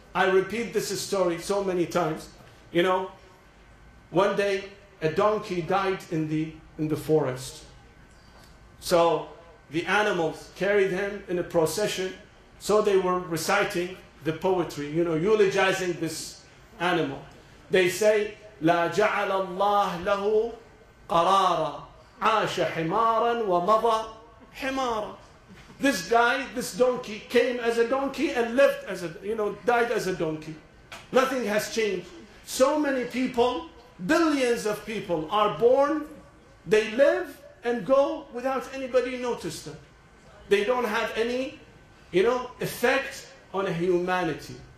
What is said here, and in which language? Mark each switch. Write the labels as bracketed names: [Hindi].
[English] I repeat this story so many times. You know, one day a donkey died in the forest. So the animals carried him in a procession. So they were reciting the poetry, you know, eulogizing this animal. They say, [Arabic] لا جعل الله له قرارا عاش حمارا ومضى حمارا. [English] This guy, this donkey, came as a donkey and lived as a, you know, died as a donkey. Nothing has changed. So many people, billions of people are born, they live and go without anybody notice them. They don't have any, you know, effect on humanity.